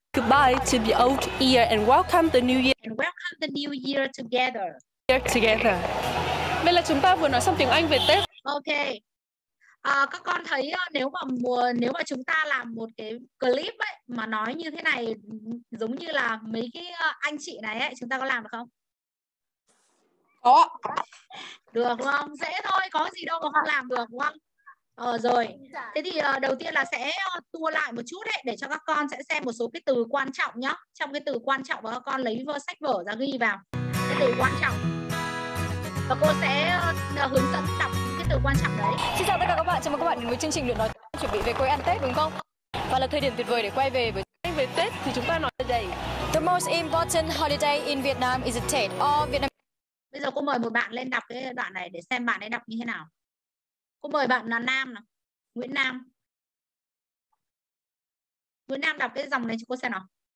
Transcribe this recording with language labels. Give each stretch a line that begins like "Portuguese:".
English: Goodbye to the old year and welcome the new year. And welcome the new year together.
Vietnamese: Vậy là chúng ta vừa nói xong tiếng Anh về Tết. Okay. Các con thấy nếu mà chúng ta làm một cái clip ấy mà nói như thế này giống như là mấy cái anh chị này ấy, chúng ta có làm được không? Có. Được không? Dễ thôi, có gì đâu mà không làm được, đúng không? Rồi. Thế thì đầu tiên là sẽ tua lại một chút ấy, để cho các con sẽ xem một số cái từ quan trọng nhá. Trong cái từ quan trọng các con lấy sách vở ra ghi vào. từ quan trọng. Và cô sẽ hướng dẫn đọc những cái từ quan trọng đấy. Xin chào tất cả các bạn, chào mừng các bạn đến với chương trình Luyện Nói Tiếng Anh, chuẩn bị về quê ăn Tết đúng không? Và là thời điểm tuyệt vời để quay về với anh về Tết thì chúng ta nói về đây.
English: The most important holiday in Vietnam is Tết. All Vietnam.
Vietnamese: Bây giờ cô mời một bạn lên đọc cái đoạn này để xem bạn ấy đọc như thế nào. Cô mời bạn là Nam nào. Nguyễn Nam. Nguyễn Nam đọc cái dòng này cho cô xem nào.